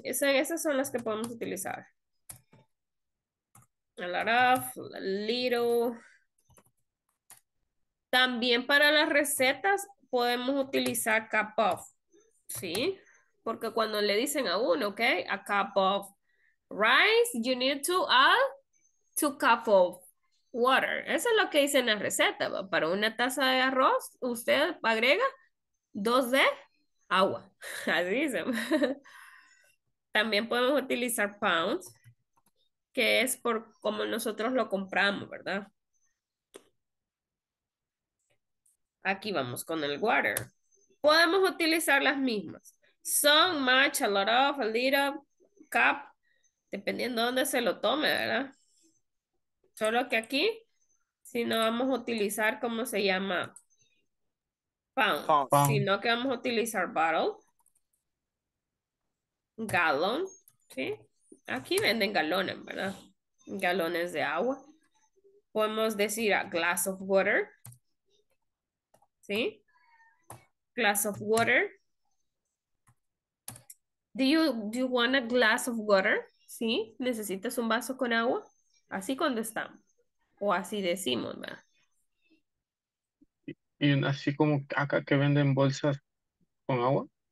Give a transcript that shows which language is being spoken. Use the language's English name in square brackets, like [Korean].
[Spanish] Esas son las que podemos utilizar. [English] A lot of, a little. [Spanish] También para las recetas podemos utilizar cup of, ¿sí? Porque cuando le dicen a uno, ¿ok? [English] A cup of rice, you need to add 2 cups of water. [Spanish] Eso es lo que dice en la receta. Para una taza de arroz, usted agrega 2 de agua. Así dice. También podemos utilizar pounds, que es por como nosotros lo compramos, ¿verdad? Aquí vamos con el water. Podemos utilizar las mismas. [English] Some, much, a lot of, a little, cup, [Spanish] dependiendo dónde se lo tome, ¿verdad? Solo que aquí, si no vamos a utilizar, ¿cómo se llama? Pound. Sino que vamos a utilizar bottle. [English] Gallon. ¿Sí? [Spanish] Aquí venden galones, ¿verdad? Galones de agua. Podemos decir [English] a glass of water. [Spanish] ¿Sí? [English] Glass of water. Do you want a glass of water? [Spanish] ¿Sí? ¿Necesitas un vaso con agua? Así cuando estamos. O así decimos, ¿verdad? ¿Y así como acá que venden bolsas con agua?